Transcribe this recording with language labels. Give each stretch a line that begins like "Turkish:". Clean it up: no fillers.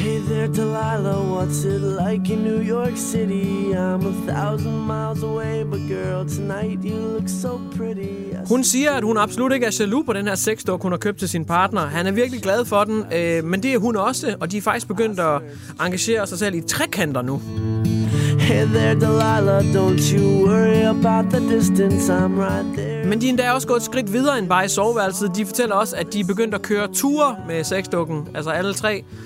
English: There, Delilah, what's it like in New York City? I'm 1,000 miles away, but girl, tonight you look so pretty.
Danish: Hun siger, at hun absolut ikke er jaloux på den her sexdukke, hun har købt til sin partner. Han er virkelig glad for den, men det er hun også, og de er faktisk begyndt at engagere sig selv i trekanter nu.
English: Hey there, Delilah, don't you worry about the distance, I'm right there.
Danish: Men de er endda også gået et skridt videre end bare i soveværelset. De fortæller også, at de er begyndt at køre ture med sexdukken, altså alle tre.